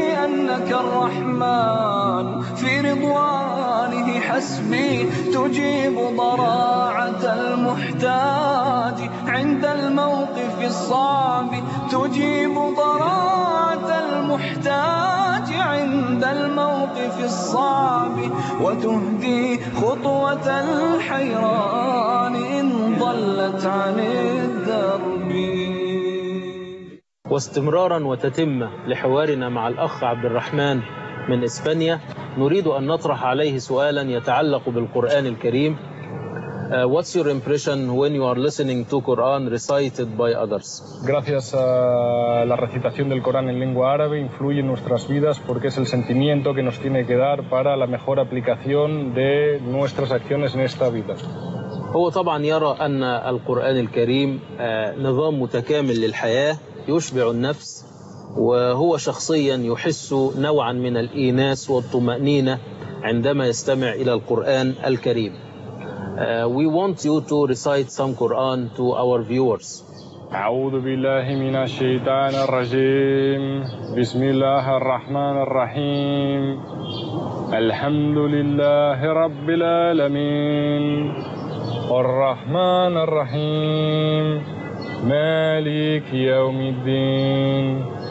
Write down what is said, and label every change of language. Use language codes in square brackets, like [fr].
[ar] أنك الرحمن في رضوانه، حسبي تجيب ضراعة المحتاج عند الموقف الصعب، تجيب ضراعة المحتاج عند الموقف الصعب، وتهدي خطوة الحيران إن ضلت عن الدرب. واستمرارا وتتمة لحوارنا مع الأخ عبد الرحمن من إسبانيا، نريد أن نطرح عليه سؤالا يتعلق بالقرآن الكريم. [en] What's your impression when you are listening to Quran recited by others? [es] Gracias a la recitación del Corán en lengua árabe influye en nuestras vidas porque es el sentimiento que nos tiene que dar para la mejor aplicación de nuestras acciones en esta vida. [ar] هو طبعا يرى أن القرآن الكريم نظام متكامل للحياة يشبع النفس، وهو شخصيا يحس نوعا من الإيناس والطمأنينة عندما يستمع إلى القرآن الكريم. [en] We want you to recite some Quran to our viewers. [ar] أعوذ بالله من الشيطان الرجيم، بسم الله الرحمن الرحيم، الحمد لله رب العالمين، الرحمن الرحيم، مالك يوم الدين،